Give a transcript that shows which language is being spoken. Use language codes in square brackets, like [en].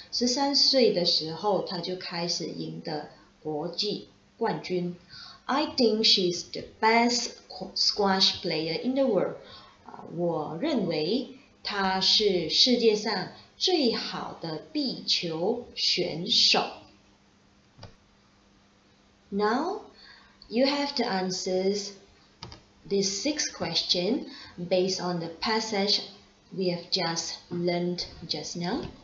[zh] 13岁的时候, 她就开始赢得国际冠军. [en] I think she's the best squash player in the world. [zh] 我认为她是世界上 最好的壁球选手. [en] Now, you have to answer this sixth question based on the passage we have just learned just now.